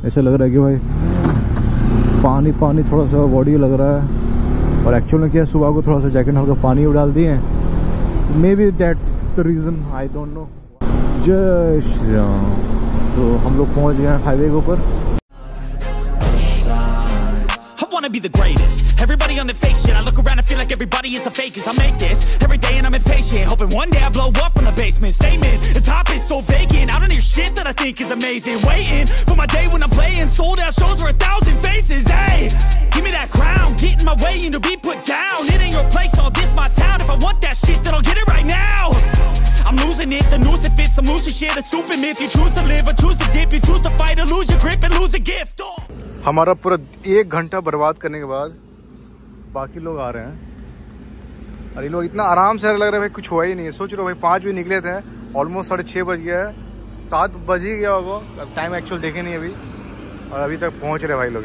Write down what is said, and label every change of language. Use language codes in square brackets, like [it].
[hi] ऐसा लग रहा है कि भाई पानी थोड़ा सा बॉडी लग रहा है. और एक्चुअल में क्या, सुबह को थोड़ा सा जैकेट हल्का पानी डाल दिए हैं, [en] Maybe that's the reason, I don't know. [hi] जय श्री राम. तो हम लोग पहुंच गए हैं हाईवे के ऊपर. [en] Be the greatest. Everybody on their fake shit. I look around and feel like everybody is the fakest. I make this every day and I'm impatient, hoping one day I blow up from the basement. Statement: the top is so vacant. I don't hear shit that I think is amazing. Waiting for my day when I'm playing sold out shows for 1,000 faces. Hey, give me that crown. Get in my way and you'll be put down. It ain't your place, dog. This my town. If I want that shit, then I'll get it right now. I'm losing it. The noose it fits. Some loose shit. A stupid myth. You choose to live or choose to dip. You choose to fight or lose your grip and lose a gift. Oh. [hi] हमारा पूरा एक घंटा बर्बाद करने के बाद बाकी लोग आ रहे हैं और ये लोग इतना आराम से लग रहे हैं भाई कुछ हुआ ही नहीं है. सोच रहे हो भाई 5 बजे निकले थे, ऑलमोस्ट 6:30 बज गया है, 7 बज ही गया होगा, अब टाइम एक्चुअल देखे नहीं अभी और अभी तक पहुंच रहे भाई लोग.